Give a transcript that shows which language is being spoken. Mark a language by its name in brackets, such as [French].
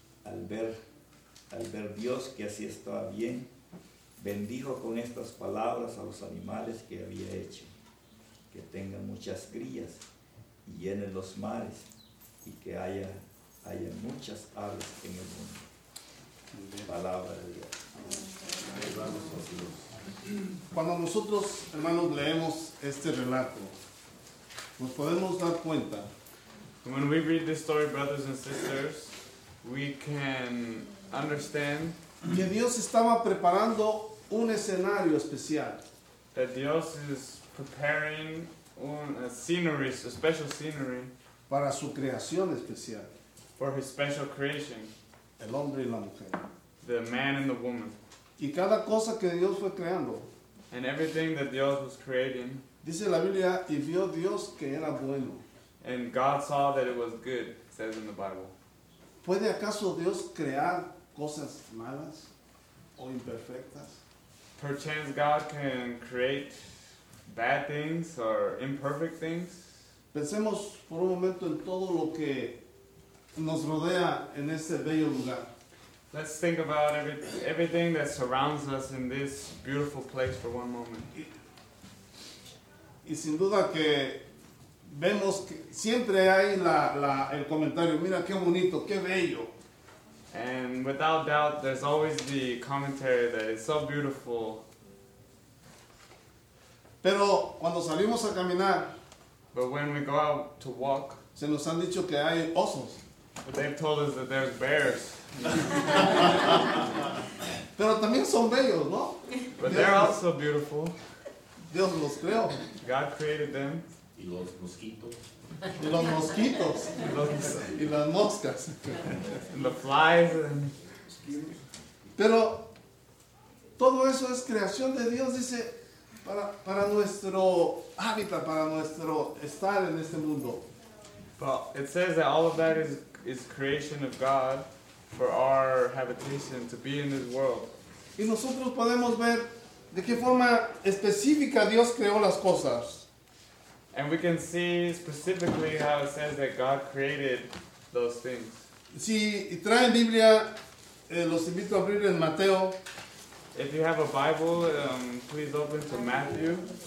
[Spanish] Al ver Dios que así estaba bien, bendijo con estas palabras a los animales que había hecho: que tengan muchas crías y llenen los mares, y que haya muchas aves en el mundo. Palabra de Dios. Cuando nosotros, hermanos, leemos este relato, nos podemos dar cuenta. [English] When we read this story, brothers and sisters, we can understand [Spanish] que Dios estaba preparando un escenario especial. [English] That Dios is preparing a special scenery [Spanish] para su creación especial. [English] For his special creation. [Spanish] El hombre y la mujer. [English] The man and the woman. [Spanish] Y cada cosa que Dios fue creando. [English] And everything that Dios was creating. [Spanish] Dice la Biblia, y vio Dios que era bueno. [English] And God saw that it was good, says in the Bible. [Spanish] ¿Puede acaso Dios crear cosas malas o imperfectas? [English] Perchance God can create bad things or imperfect things. [Spanish] Pensemos por un momento en todo lo que nos rodea en este bello lugar. [English] Let's think about everything that surrounds us in this beautiful place for one moment. [Spanish] Y sin duda que vemos que siempre hay el comentario: mira qué bonito, qué bello. [English] And without doubt, there's always the commentary that it's so beautiful. [Spanish] Pero cuando salimos a caminar, [English] but when we go out to walk, [Spanish] se nos han dicho que hay osos. [English] But they've told us that there's bears. [Spanish] Pero también son bellos, ¿no? [English] But they're also beautiful. [Spanish] Dios los creó. [English] God created them. [Spanish] Y los mosquitos. Y los mosquitos. Y las moscas. [English] And the flies. And... [Spanish] Pero todo eso es creación de Dios, dice, para nuestro hábitat, para nuestro estar en este mundo. [English] But it says that all of that is creation of God. For our habitation, to be in this world. [Spanish] Y nosotros podemos ver de qué forma específica Dios creó las cosas. [English] And we can see specifically how it says that God created those things. [Spanish] Si traen Biblia, los invito a abrir en Mateo. [English] If you have a Bible, please open to Matthew.